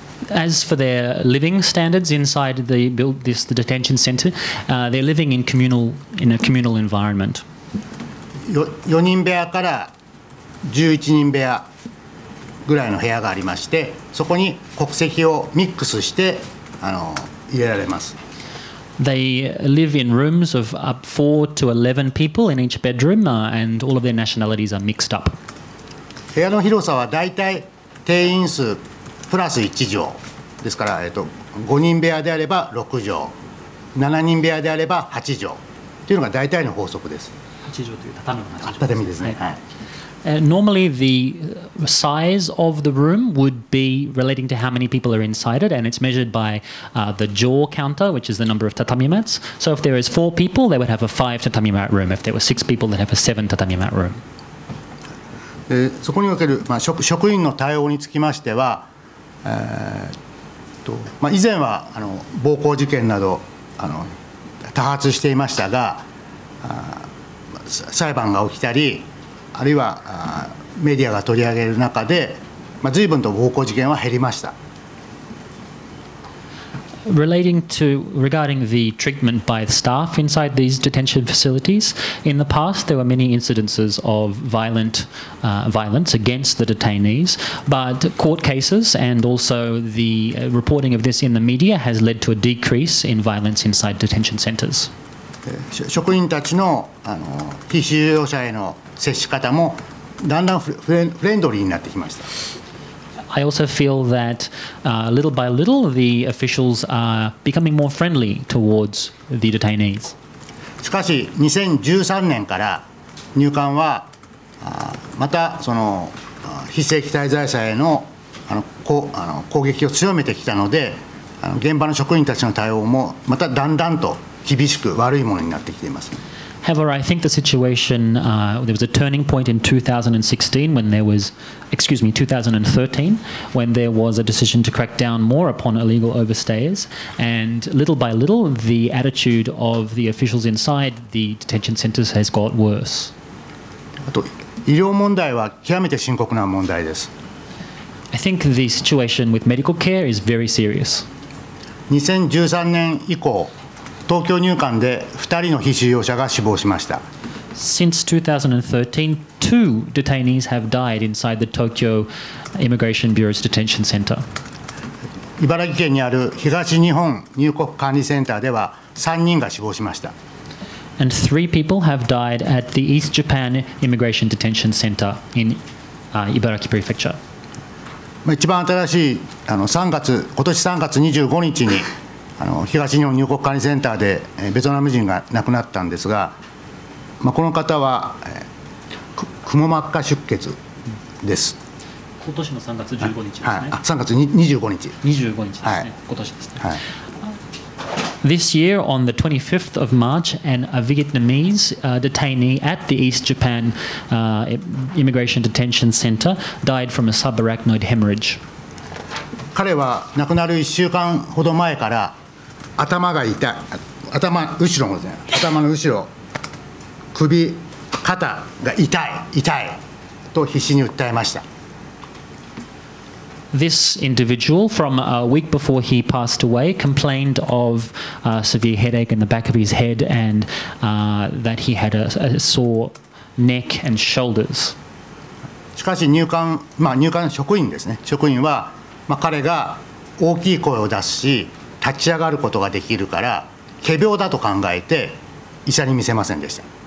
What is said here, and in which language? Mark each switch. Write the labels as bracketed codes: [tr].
[en] As for their living standards inside the detention center, they're living in a communal environment. [ja] 4人部屋から11人部屋ぐらいの部屋がありまして、そこに国籍をミックスして入れられます。 [en] They live in rooms of up 4 to 11 people in each bedroom, and all of their nationalities are mixed up. [ja] 部屋の広さはだいたい定員数プラス1畳でですから、5人部屋であれば6畳、7人部屋であれば8畳というのが大体の法則です。 8畳という畳の 8畳ですね。畳ですね。はい。 [en] Normally, the size of the room would be relating to how many people are inside it, and it's measured by the jō counter, which is the number of tatami mats. So if there is four people, they would have a five tatami mat room. If there were six people, they'd have a seven tatami mat room. [ja] そこにおける、まあ、職員の対応につきましては、まあ、以前は暴行事件など多発していましたが、裁判が起きたり、あるいはメディアが取り上げる中で、まあ、随分と暴行事件は減りました。 [en] Regarding the treatment by the staff inside these detention facilities, in the past there were many incidences of violence against the detainees, but court cases and also the reporting of this in the media has led to a decrease in violence inside detention centers. [ja] 職員たちの被収容者への接し方もだんだんフレンドリーになってきました。 [en] I also feel that little by little the officials are becoming more friendly towards the detainees. [ja] しかし2013年から入管はまたその非正規滞在者への攻撃を強めてきたので、現場の職員たちの対応もまただんだんと厳しく悪いものになってきています。 [en] However, I think the situation, there was a turning point in 2016 when there was, 2013, when there was a decision to crack down more upon illegal overstayers. And little by little, the attitude of the officials inside the detention centers has got worse. [ja] あと、医療問題は極めて深刻な問題です。 [en] I think the situation with medical care is very serious. [ja] 2013年以降、東京入管で2人の被収容者が死亡しました。 [en] Since 2013, two detainees have died inside the Tokyo Immigration Bureau's detention center. [ja] 茨城県にある東日本入国管理センターでは3人が死亡しました。 [en] And three people have died at the East Japan Immigration Detention Center in 茨城 Prefecture. [ja] 一番新しい今年3月25日に東日本入国管理センターでベトナム人が亡くなったんですが、まあ、この方はくも膜下出血です。今年の3月15日ですね、はい、3月25日ですね、はい、今年ですね、はい、 [en] This year on the 25th of March and a Vietnamese detainee at the East Japan Immigration Detention Center died from a subarachnoid hemorrhage. [ja] 彼は亡くなる1週間ほど前から頭が痛い、頭の後ろ、首、肩が痛いと必死に訴えました。 [en] This individual, from a week before he passed away, complained of a severe headache in the back of his head and that he had a sore neck and shoulders. [ja] しかし入管職員ですね。職員は、まあ、彼が大きい声を出すし、立ち上がることができるから仮病だと考えて医者に見せませんでした。